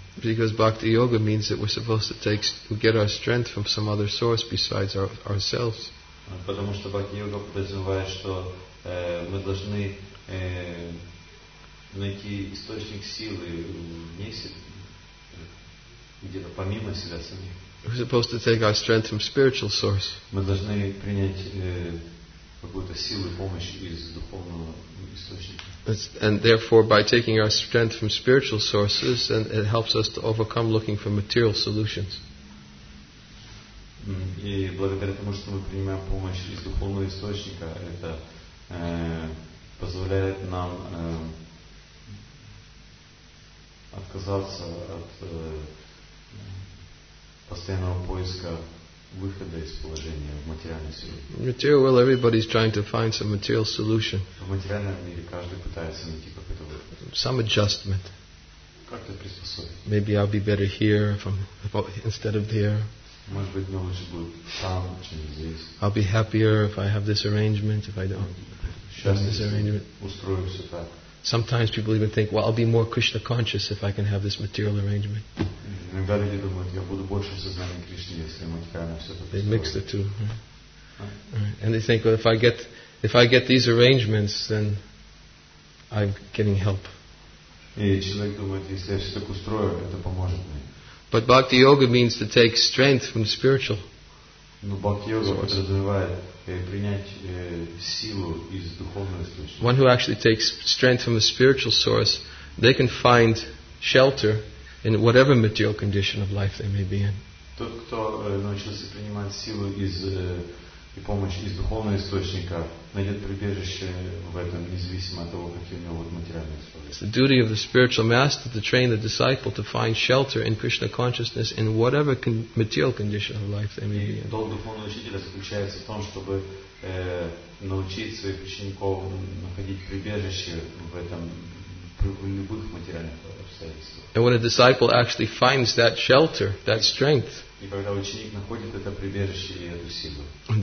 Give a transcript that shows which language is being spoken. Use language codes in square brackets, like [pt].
[en] Because Bhakti Yoga means that we're supposed to get our strength from some other source besides ourselves. [ru] Потому что Бхакти Йога подразумевает, что мы должны найти источник силы вне себя, где-то помимо себя самих. [en] We're supposed to take our strength from spiritual source. [ru] Мы должны принять какую-то силу и помощь из духовного источника. [en] And therefore, by taking our strength from spiritual sources, and it helps us to overcome looking for material solutions. [ru] И благодаря тому, что мы принимаем помощь из духовного источника, это позволяет нам отказаться от постоянного поиска выхода из положения в материальной сфере. [en] Material world, everybody's trying to find some material solution. [ru] В материальном мире каждый пытается найти какой-то выход. [en] Some adjustment. [ru] Как-то приспособить. [en] Maybe I'll be better here instead of there. [ru] Может быть, мне лучше будет там, чем здесь. [en] I'll be happier if I have this arrangement, if I don't. [ru] Сейчас [en] this arrangement. [ru] Устрою все так. [en] Sometimes people even think, well, I'll be more Krishna conscious if I can have this material arrangement. [ru] Иногда люди думают, я буду больше сознанием Кришны, если материально все это. [en] They mix the two, right? And they think, well, if I get these arrangements, then I'm getting help. [ru] И человек думает, если я все так устрою, это поможет мне. [en] But Bhakti Yoga means to take strength from the spiritual. [ru] Но Бхакти Йога подразумевает принять силу из духовного источника. [en] One who actually takes strength from a spiritual source, they can find shelter in whatever material condition of life they may be in. [ru] Тот, кто научился принимать силу из и помощь из духовного источника, найдет прибежище в этом, независимо от того, какие у него материальные условия. [en] It's the duty of the spiritual master to train the disciple to find shelter in Krishna consciousness in whatever material condition of life they may be in. [ru] Долг духовного учителя заключается в том, чтобы научить своих учеников находить прибежище в этом, в любых материальных обстоятельствах. [en] And when a disciple actually finds that shelter, that strength, [ru] и когда ученик находит это прибежище и эту силу,